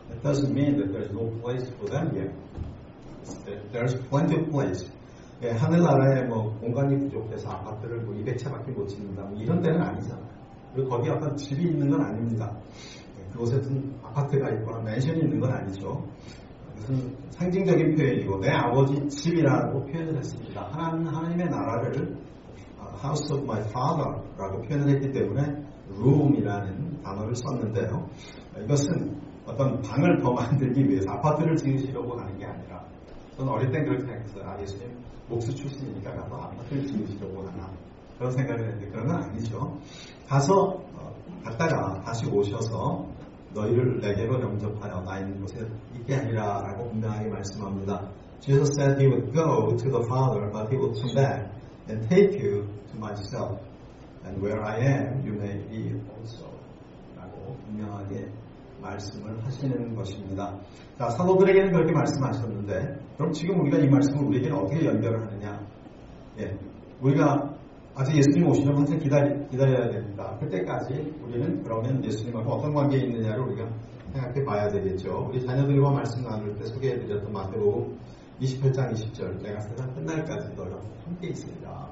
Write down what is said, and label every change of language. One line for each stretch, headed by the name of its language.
English: That doesn't mean that there's no place for them yet. There's plenty of place.
Korean: 예, 하늘나라에 뭐 공간이 부족해서 아파트를 뭐 200채밖에 못 짓는다 뭐 이런 데는 아니잖아요. 그리고 거기 어떤 집이 있는 건 아닙니다. 예, 그곳에 무슨 아파트가 있거나 맨션이 있는 건 아니죠. 무슨 상징적인 표현이고 내 아버지 집이라고 표현을 했습니다. 하나님의 나라를
English: House of my father
Korean: 라고 표현을 했기 때문에 room이라는 단어를 썼는데요. 이것은 어떤 방을 더 만들기 위해서 아파트를 지으시려고 하는 게 아니라 저는 어릴 땐 그렇게 생각했어요. 아, 예수님 목수 출신이니까 나도 아파트를 지으시려고 하나 그런 생각을 했는데 그런 건 아니죠. 가서 갔다가 다시 오셔서 너희를 내게로 영접하여 나 있는 곳에 있게 하리라 라고 분명하게 말씀합니다.
English: Jesus said he would go to the Father but he would come back and take you to myself and where I am you may be also
Korean: 라고 분명하게 말씀을 하시는 것입니다. 자, 사도들에게는 그렇게 말씀하셨는데 그럼 지금 우리가 이 말씀을 우리에게는 어떻게 연결을 하느냐? 예, 우리가 아직 예수님 오시면 항상 기다려야 됩니다. 그때까지 우리는 그러면 예수님하고 어떤 관계에 있느냐를 우리가 생각해 봐야 되겠죠. 우리 자녀들과 말씀 나눌 때 소개해 드렸던 마태복음 28장 20절 내가 세상 끝날까지 너희와 함께 있습니다.